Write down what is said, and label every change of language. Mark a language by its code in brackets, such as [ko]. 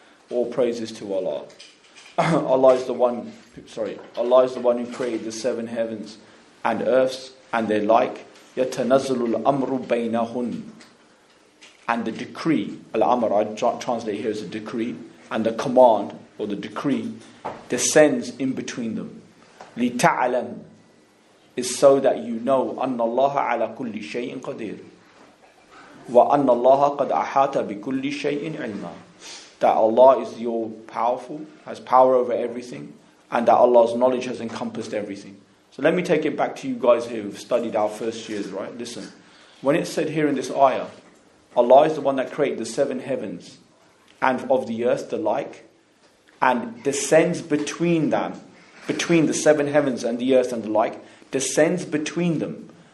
[en] All praises to Allah. Allah is the one who created the seven heavens and earths and their like. [ar] يَتَنَزَّلُ الْأَمْرُ بَيْنَهُنْ. [en] And the decree, Al-Amr, I translate here as a decree, and the command, or the decree, descends in between them. [ar] لِتَعْلَمْ. [en] Is so that you know, [ar] أَنَّ اللَّهَ عَلَى كُلِّ شَيْءٍ قَدِيرٍ وَأَنَّ اللَّهَ قَدْ أَحَاتَ بِكُلِّ شَيْءٍ عِلْمًا. [en] That Allah is your powerful, has power over everything, and that Allah's knowledge has encompassed everything. So let me take it back to you guys here who've studied our first years, right? Listen, when it's said here in this ayah, Allah is the one that created the seven heavens and of the earth the like, and descends between them, between the seven heavens and the earth and the like, descends between them.